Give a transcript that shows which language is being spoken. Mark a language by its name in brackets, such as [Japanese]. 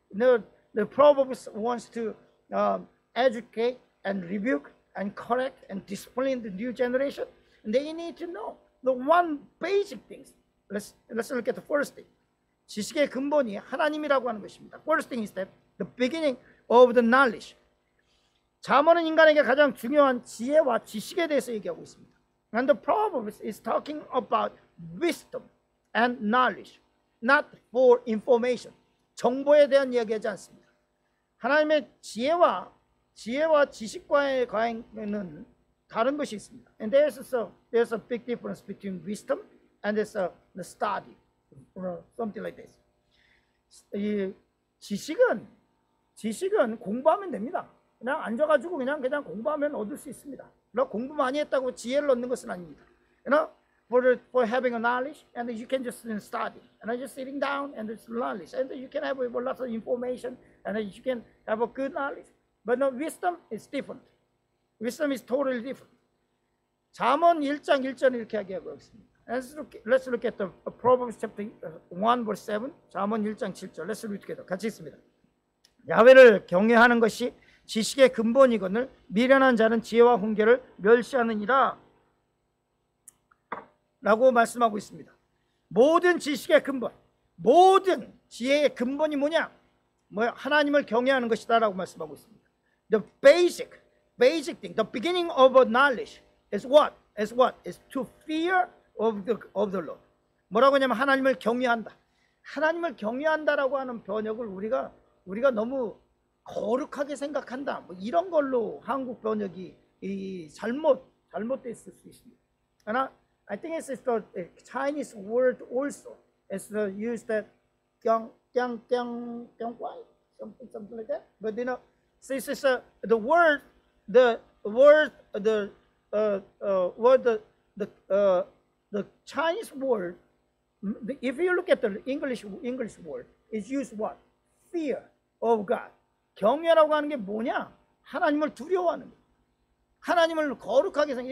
[English] The Proverbs wants to educate and rebuke and correct and discipline the new generation. They need to know the one basic things. Let's look at the first thing. [Korean] 지식의 근본이 하나님이라고 하는 것입니다. [English] First thing is that the beginning of the knowledge. [Korean] 잠언은 인간에게 가장 중요한 지혜와 지식에 대해서 얘기하고 있습니다. [English] And the Proverbs is talking about wisdom and knowledge, not for information. [Korean] 정보에 대한 이야기하지 않습니다. 하나님의 지혜와 지식과의 관계는 다른 것이 있습니다. [English] And there's a big difference between wisdom and the study or something like this. [Korean] 이 지식은 공부하면 됩니다. 그냥 앉아가지고 그냥 공부하면 얻을 수 있습니다. 그러나 공부 많이 했다고 지혜를 얻는 것은 아닙니다. [English] You know? For having a knowledge, and you can just study, and I'm just sitting down, and it's knowledge, and you can have lots of information, and you can have a good knowledge. But no, wisdom is different. Wisdom is totally different. [Korean] 잠언 1장 1절을 이렇게 얘기하고 있습니다. [English] Let's look at the Proverbs chapter 1 verse 7. [Korean] 잠언 1장 7절. [English] Let's read together. [Korean] 같이 있습니다. 야훼를 경외하는 것이 지식의 근본이거늘 미련한 자는 지혜와 훈계를 멸시하느니라. 라고 말씀하고 있습니다. 모든 지식의 근본, 모든 지혜의 근본이 뭐냐? 뭐 하나님을 경외하는 것이다라고 말씀하고 있습니다. [English] The basic thing, the beginning of a knowledge is what? Is what? Is to fear of the Lord. [Korean] 뭐라고 하냐면 하나님을 경외한다. 하나님을 경외한다라고 하는 번역을 우리가 너무 거룩하게 생각한다. 뭐 이런 걸로 한국 번역이 잘못돼 있을 수 있습니다. 하나 [English] I think it's the Chinese word also. It's the use that 경경경경과이 something like that. But you know, since it's the Chinese word. If you look at the English word, it's used what? Fear of God. [Korean] 경외라고 하는 게 뭐냐? 하나님을 두려워하는 거. 하나님을 거룩하게 생각.